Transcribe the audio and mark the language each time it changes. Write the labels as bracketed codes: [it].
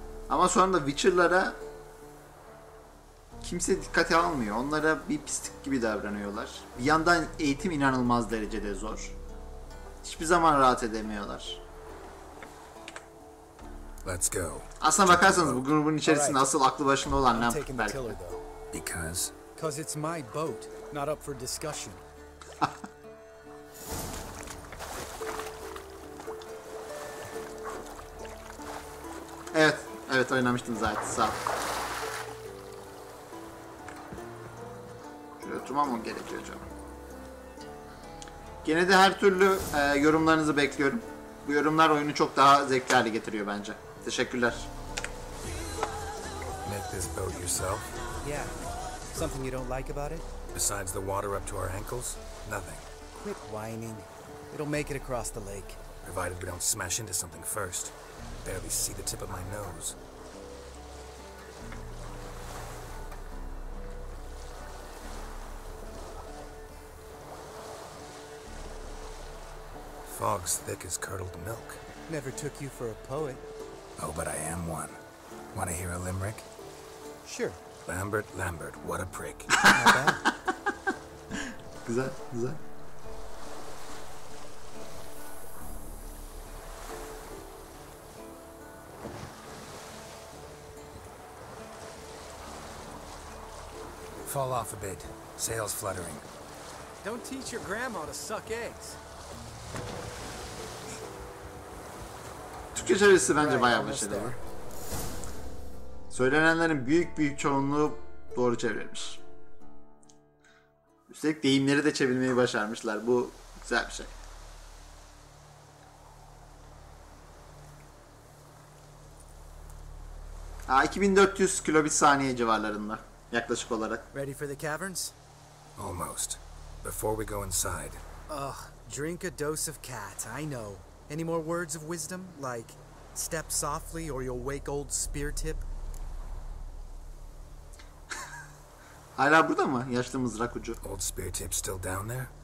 [tr] Ama sonra da Witcher'lara kimse dikkate almıyor. Onlara bir pislik gibi davranıyorlar. Bir yandan eğitim inanılmaz derecede zor. Hiçbir zaman rahat edemiyorlar. [en] Let's go. [tr] Aslına bakarsanız bu grubun içerisinde asıl aklı başında olan ne yapar? [en] Because it's my boat, not up for discussion. [tr] Evet, evet oynamıştım zaten. Sağ ol. Şöyle oturmam mı gerekiyor canım? Gene de her türlü yorumlarınızı bekliyorum. Bu yorumlar oyunu çok daha zevkli hale getiriyor bence. Teşekkürler. [en] Make this boat yourself? Yeah. Something you don't like about it? Besides the water up to our ankles? Nothing. Quit whining. It'll make it across the lake. Provided we don't smash into something first. Barely see the tip of my nose. Fog's thick as curdled milk. Never took you for a poet. Oh, but I am one. Want to hear a limerick? Sure. Lambert, Lambert, what a prick. Is that? Fall off a bit. Sails fluttering. Don't teach your grandma to suck eggs. [tr] köşesi bence bayağı başarılı. Söylenenlerin büyük büyük çoğunluğu doğru çevrilmiş. Üstelik deyimleri de çevirmeyi başarmışlar. Bu güzel bir şey. Aa, 2400 kilobit saniye civarlarında yaklaşık olarak. [en] Ready for the caverns? Almost. Before we go inside. Ugh, drink a dose of cat, I know. Any more words of wisdom? Like, step softly or you'll wake old spear tip? [tr] Hala burada mı? Yaşlı mızrak ucu. [en] Old spear tip still down there?